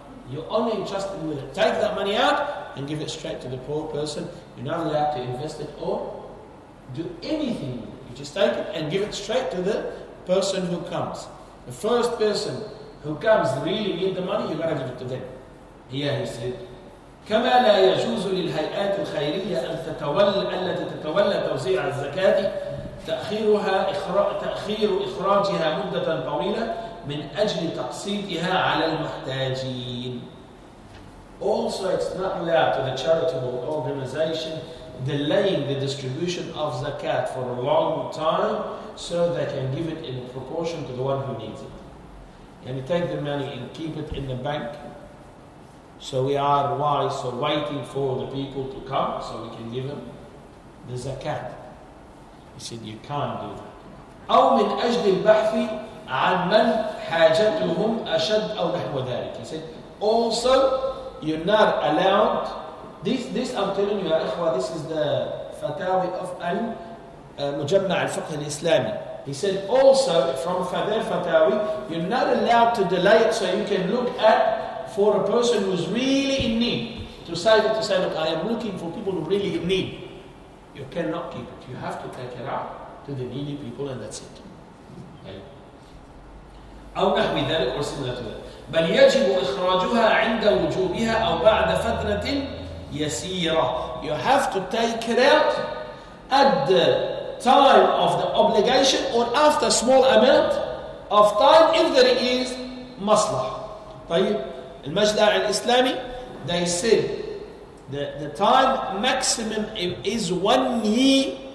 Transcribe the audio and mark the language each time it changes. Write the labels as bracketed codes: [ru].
[en] You're only entrusted with it. Take that money out and give it straight to the poor person. You're not allowed to invest it or do anything. You just take it and give it straight to the person who comes. The first person who comes really need the money, you've got to give it to them. Here he said, [ar] كما لا يجوز للهيئات الخيرية أن تتولى توزيع الزكاة تأخيرها تأخير إخراجها مدة طويلة من أجل تقسيطها على المحتاجين. [en] Also, it's not allowed to the charitable organization delaying the distribution of zakat for a long time so they can give it in proportion to the one who needs it. And you take the money and keep it in the bank, so we are wise, so waiting for the people to come so we can give them the zakat. He said, you can't do that. [ar] أو من أجل البحث عن من حاجتهم أشد أو نحو ذلك. [en] He said, also, you're not allowed. This I'm telling you, Ya Ikhwa, this is the fatawi of Al Mujamma' Al Fiqh Al Islami. He said, also, from Fadir Fatawi, you're not allowed to delay it so you can look at for a person who's really in need. To say, look, I am looking for people who are really in need. You cannot keep it. You have to take it out to the needy people, and that's it. [ar] أو نحو ذلك [en] or similar to that. [ar] بل يجب إخراجها عند وجوبها أو بعد فترة يسيرة. [en] You have to take it out at the time of the obligation or after a small amount of time if there is maslah. طيب المجدع الإسلامي, they said the time maximum is 1 year.